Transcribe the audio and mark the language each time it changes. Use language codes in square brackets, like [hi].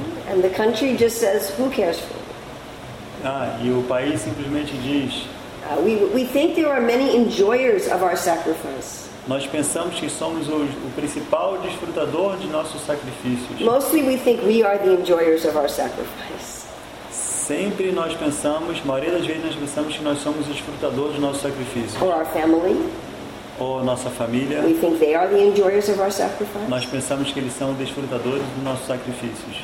[en] And the country just says, who cares for it? [pt] Ah, e o país simplesmente diz. [en] We think there are many enjoyers of our sacrifice. [pt] Nós pensamos que somos o principal desfrutador de nossos sacrifícios. [en] Mostly we think we are the enjoyers of our sacrifice. [pt] Sempre nós pensamos, a maioria das vezes nós pensamos que nós somos os frutadores do nosso sacrifício. [en] Or our family. [pt] Ou nossa família. [en] We think they are the enjoyers of our sacrifice. [pt] Nós pensamos que eles são os desfrutadores dos nossos sacrifícios.